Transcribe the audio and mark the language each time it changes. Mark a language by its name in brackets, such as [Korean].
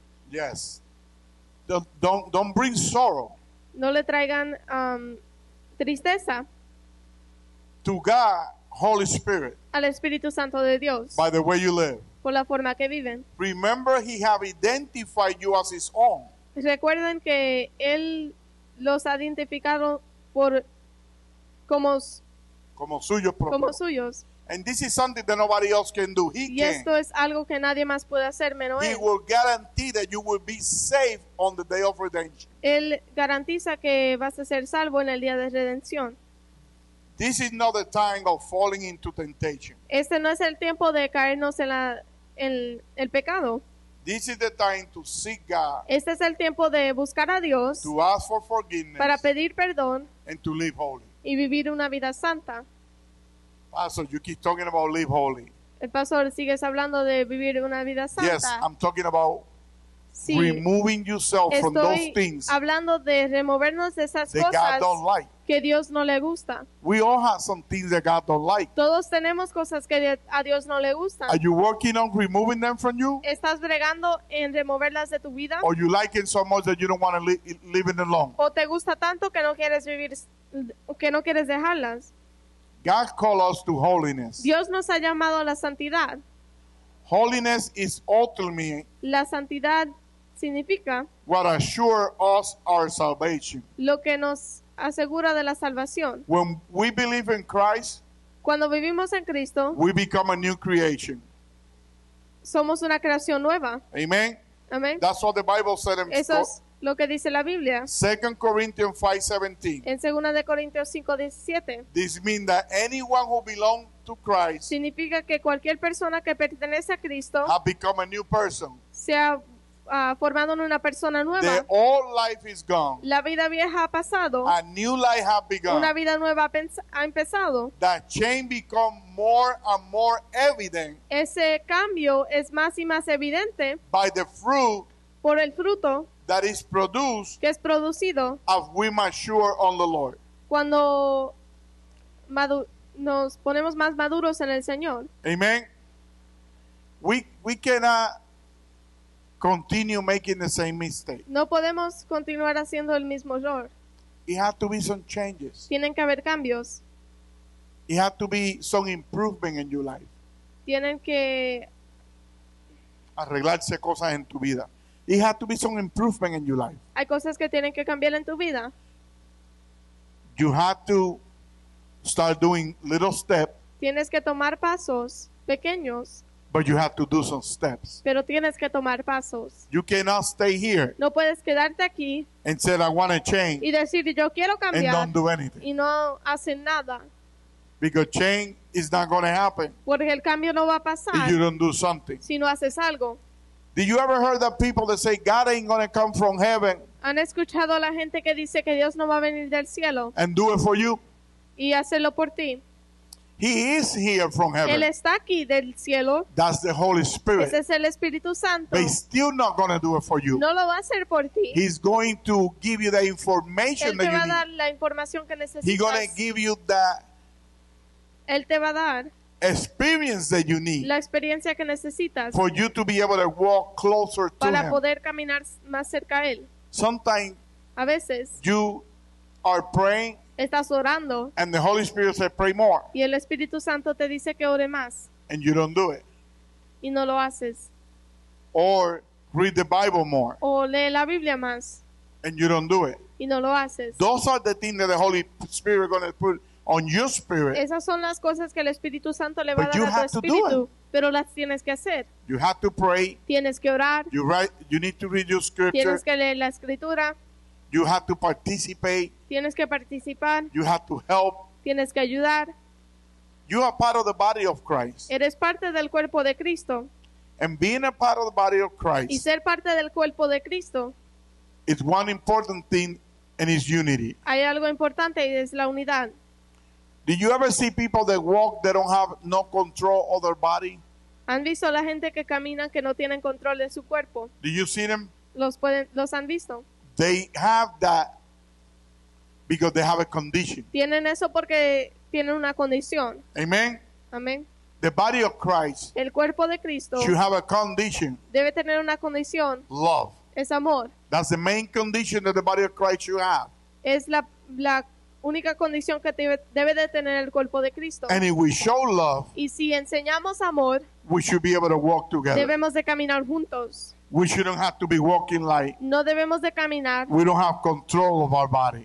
[English] Yes. Don't bring sorrow. [Spanish] No le traigan tristeza. [English] To God, Holy Spirit. [Spanish] Al Espíritu Santo de Dios. [English] By the way you live. [Spanish] Por la forma que viven. [English] Remember, he have identified you as his own. [Spanish] Recuerden que él los ha identificado por como suyos propios. Como suyos. [English] And this is something that nobody else can do. He [Spanish] y esto [English] can. [Spanish] Es algo que nadie más puede hacer, menos [English] he [Spanish] él. [English] Will guarantee that you will be saved on the day of redemption. [Spanish] Él garantiza que vas a ser salvo en el día de redención. [English] This is not the time of falling into temptation. [Spanish] Este no es el tiempo de caernos en el pecado. [English] This is the time to seek God. [Spanish] Este es el tiempo de buscar a Dios. [English] To ask for forgiveness. [Spanish] Para pedir perdón. [English] And to live holy. [Spanish] Y vivir una vida santa. [English] Pastor, you keep talking about live holy. [Spanish] El pastor sigues hablando de vivir una vida santa. [English] Yes, I'm talking about [Spanish] sí. [English] Removing yourself [Spanish] estoy [English] from those things. [Spanish] Hablando de removernos de esas [English] that [Spanish] cosas [English] God don't like. [Spanish] Que Dios no le gusta. [English] We all have some things that God don't like. [Spanish] Todos tenemos cosas que a Dios no le gustan. [English] Are you working on removing them from you? [Spanish] ¿Estás bregando en removerlas de tu vida? [English] Or you like it so much that you don't want to live it alone. [Spanish] O te gusta tanto que no quieres vivir, que no quieres dejarlas. [English] God calls us to holiness. [Spanish] Dios nos ha llamado a la santidad. [English] Holiness is ultimately. [Spanish] La santidad significa. [English] What assures us our salvation. [Spanish] Lo que nos asegura de la salvación. [English] When we believe in Christ. [Spanish] Cuando vivimos en Cristo. [English] We become a new creation. [Spanish] Somos una creación nueva. [English] Amen. [Spanish] Amen. [English] That's what the Bible said. [Spanish] Eso es lo que dice la Biblia. [English] 2 Corinthians 5:17. [Spanish] En 2 Corintios 5:17. [English] This means that anyone who belongs to Christ. [Spanish] Significa que cualquier persona que pertenece a Cristo. [English] Has become a new person. [Spanish] Se ha formado en una persona nueva. [English] The old life is gone. [Spanish] La vida vieja ha pasado. [English] A new life has begun. [Spanish] Una vida nueva ha empezado. [English] The change become more and more evident. [Spanish] Ese cambio es más y más evidente. [English] By the fruit. [Spanish] Por el fruto. [English] That is produced. [Spanish] Que es producido. [English] As we mature on the Lord. [Spanish] Cuando nos ponemos más maduros en el Señor. [English] Amen. We cannot continue making the same mistake. [Spanish] No podemos continuar haciendo el mismo error. [English] It has to be some changes. [Spanish] Tienen que haber cambios. [English] It has to be some improvement in your life. [Spanish] Tienen que arreglarse cosas en tu vida. [English] It has to be some improvement in your life. [Spanish] Hay cosas que tienen que cambiar en tu vida. [English] You have to start doing little steps. [Spanish] Tienes que tomar pasos pequeños. [English] But you have to do some steps. [Spanish] Pero tienes que tomar pasos. [English] You cannot stay here. [Spanish] No puedes quedarte aquí. [English] And say, I want to change. [Spanish] Y decir, yo quiero cambiar. [English] And don't do anything. [Spanish] Y no hacen nada. [English] Because change is not going to happen. [Spanish] Porque el cambio no va a pasar. [English] If you don't do something. [Spanish] Si no haces algo. [English] Did you ever heard the people that say God ain't going to come from heaven? [Spanish] ¿Han escuchado a la gente que dice que Dios no va a venir del cielo? [English] And do it for you. [Spanish] Y hacerlo por ti. [English] He is here from heaven. [Spanish] Él está aquí del cielo. [English] That's the Holy Spirit. [Spanish] Ese es el Espíritu Santo. [English] But he's still not going to do it for you. [Spanish] No lo va a hacer por ti. [English] He's going to give you the information [Spanish] él [English] that [Spanish] te va [English] you [Spanish] dar [English] need. [Spanish] La información que necesitas. [English] He's going to give you the [Spanish] él te va a dar [English] experience that you need. [Spanish] La experiencia que necesitas. [English] For you to be able to walk closer to [Spanish] para [English] him. [Spanish] Poder caminar más cerca a él. [English] Sometimes [Spanish] a veces, [English] you are praying. [Spanish] Estás orando, [English] and the Holy Spirit says, pray more. [Spanish] Y el Espíritu Santo te dice que ore más, [English] and you don't do it. [Spanish] Y no lo haces. [English] Or read the Bible more. [Spanish] O lee la Biblia más, [English] and you don't do it. [Spanish] Y no lo haces. [English] Those are the things that the Holy Spirit is going to put on your spirit. [Spanish] Esas son las cosas que el Espíritu Santo le va a dar a tu espíritu. [English] But you have to do it. [Spanish] Pero las tienes que hacer. [English] You have to pray. [Spanish] Tienes que orar. [English] You need to read your scripture. [Spanish] Tienes que leer la escritura. [English] You have to participate. [Spanish] Tienes que participar. [English] You have to help. [Spanish] Tienes que ayudar. [English] You are part of the body of Christ. [Spanish] Eres parte del cuerpo de Cristo. [English] And being a part of the body of Christ. [Spanish] Y ser parte del cuerpo de Cristo. [English] It's one important thing, and it's unity. [Spanish] Hay algo importante y es la unidad. [English] Did you ever see people that walk that don't have no control of their body? [Spanish] ¿Han visto la gente que camina que no tienen control de su cuerpo? [English] Do you see them? [Spanish] Los han visto. [English] They have that because they have a condition. [Spanish] Tienen eso porque tienen una condición. [English] Amen. [Spanish] Amen. [English] The body of Christ. [Spanish] El cuerpo de Cristo. [English] Should have a condition. [Spanish] Debe tener una condición. [English] Love. [Spanish] Es amor. [English] That's the main condition that the body of Christ should have. [Spanish] Es la única condición que debe de tener el cuerpo de Cristo. [English] And if we show love. [Spanish] Y si enseñamos amor. [English] We should be able to walk together. [Spanish] Debemos de caminar juntos. [English] We shouldn't have to be walking like. [Spanish] No debemos de caminar. [English] We don't have control of our body.